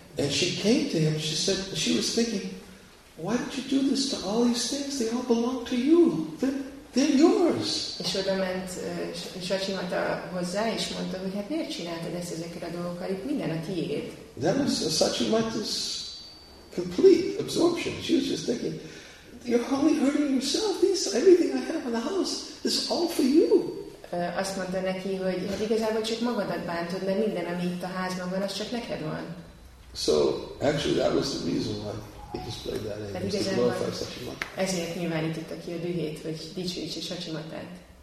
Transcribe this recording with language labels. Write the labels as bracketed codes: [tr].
[en] And she came to him, she said, she was thinking, why did you do this to all these things? They all belong to you. They're yours. [hu] És oda ment Satchimata hozzá, és mondta, hogy hát miért csináltad ezt ezekre a dolgokkal? Itt minden a tiéd. [en] That was Satchimata's complete absorption. She was just thinking, you're only hurting yourself. This, everything I have in the house is all for you. [hu] Azt mondta neki, hogy hát igazából csak magadat bántod, mert minden, ami itt a házban van, az csak neked van. [en] So, actually that was the reason why he displayed that anger, to glorify Satchimata. [hu] Ezért nyilvánította ki a dühét, hogy dicsőítse Satchimatát.